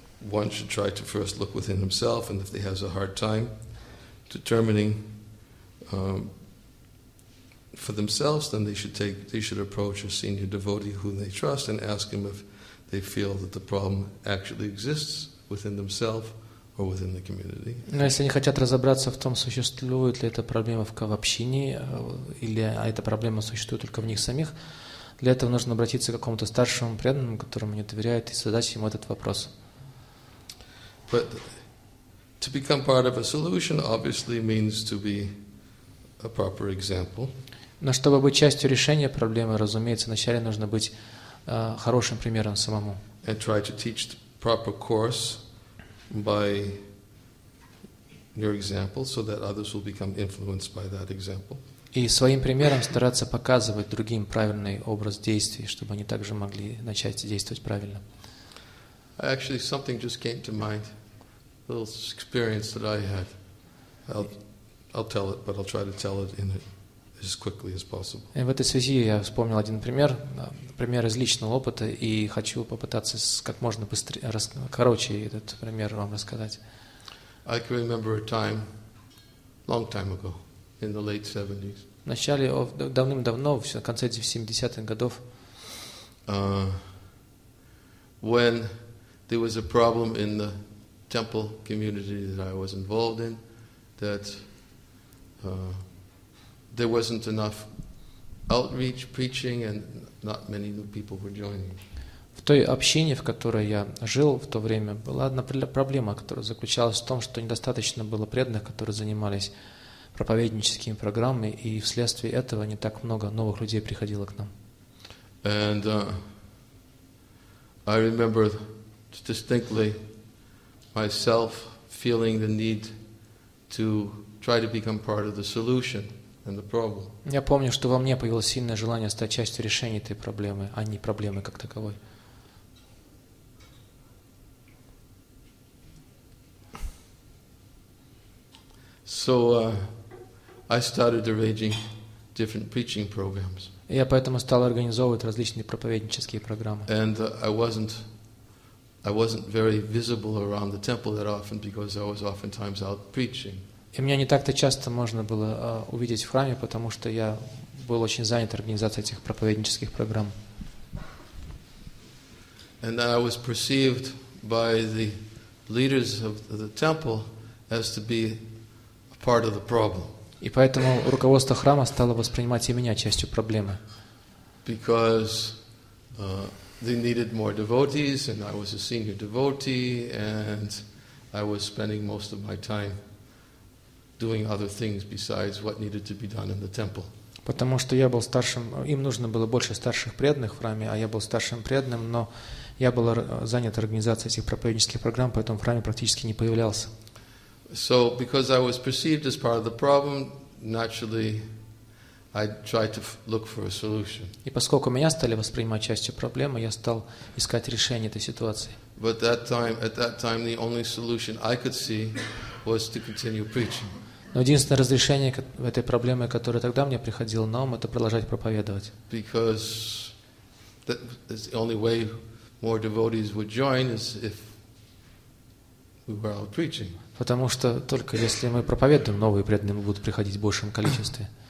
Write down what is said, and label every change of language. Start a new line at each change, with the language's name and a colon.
English: One should try to first look within himself, and if he has a hard time determining for themselves, then they should approach a senior devotee whom they trust and ask him if they feel that the problem actually exists within themselves or within the community.
Russian: Но если они хотят разобраться в том, существует ли эта проблема в общине, или эта проблема существует только в них самих, для этого нужно обратиться к какому-то старшему преданному, которому они доверяют, и задать ему этот вопрос.
English: But to become part of a solution obviously means to be a proper example.
Russian: Но чтобы быть частью решения проблемы, разумеется, вначале нужно быть хорошим примером самому.
English: And try to teach the proper course by your example, so that others will become influenced by that example.
Russian: И своим примером стараться показывать другим правильный образ действий, чтобы они также могли начать действовать правильно.
English: Actually, something just came to mind. A little experience that I had. I'll tell it, but I'll try to tell it in as quickly as possible.
Russian: И в этой связи я вспомнил один пример из личного опыта, и хочу попытаться как можно короче этот пример вам рассказать.
English: I can remember a time, long time ago, in the late 70s.
Russian: В начале, давным-давно, в конце 70-х годов,
English: when there was a problem in the temple community that I was involved in, that there wasn't enough outreach, preaching, and not many new people were joining.
Russian: В той общине, в которой я жил в то время, была одна проблема, которая заключалась в том, что недостаточно было преданных, которые занимались проповедническими программами, и вследствие этого не так много новых людей приходило к нам.
English: And I remember distinctly myself feeling the need to try to become part of the solution and the problem.
Russian: Я помню, что во мне появилось сильное желание стать частью решения этой проблемы, а не проблемы как таковой.
English: So I started arranging different preaching programs.
Russian: Я поэтому стал организовывать различные проповеднические программы.
English: And I wasn't very visible around the temple that often because I was oftentimes out preaching.
Russian: И меня не так-то часто можно было увидеть в храме, потому что я был очень занят организацией этих проповеднических программ.
English: And I was perceived by the leaders of the temple as to be a part of the problem.
Russian: И поэтому руководство храма стало воспринимать и меня частью проблемы.
English: Because they needed more devotees, and I was a senior devotee, and I was spending most of my time doing other things besides what needed to be done in the temple.
Russian: Потому что я был старшим, им нужно было больше старших преданных в храме, а я был старшим преданным, но я был занят организацией этих проповеднических программ, поэтому в храме практически не появлялся.
English: So, because I was perceived as part of the problem, naturally, I tried to look for a solution.
Russian: И поскольку меня стали воспринимать частью проблемы, я стал искать решение этой ситуации.
English: But at that time, the only solution I could see was to continue preaching.
Russian: Но единственное разрешение этой проблемы, которое тогда мне приходило на ум, это продолжать проповедовать.
English: Because that's the only way more devotees would join is if we were out preaching.
Russian: Потому что только если мы проповедуем, новые преданные будут приходить в большем количестве.